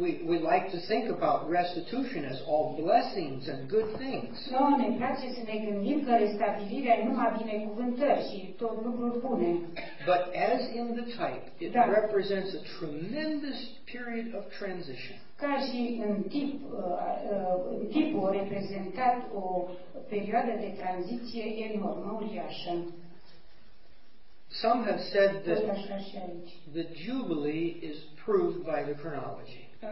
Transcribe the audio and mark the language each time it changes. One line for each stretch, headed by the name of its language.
English: We like to think about restitution as all blessings and good things.
Romanian: No, ne place să ne gândim că restabilirea e numai binecuvântări și tot lucruri bune.
English: But as in the type, it da. Represents a tremendous period of transition.
Romanian: Ca și în tip, în tipul reprezentat o perioadă de tranziție enormă, uriașă.
English: Some have said that the jubilee is proved by the chronology.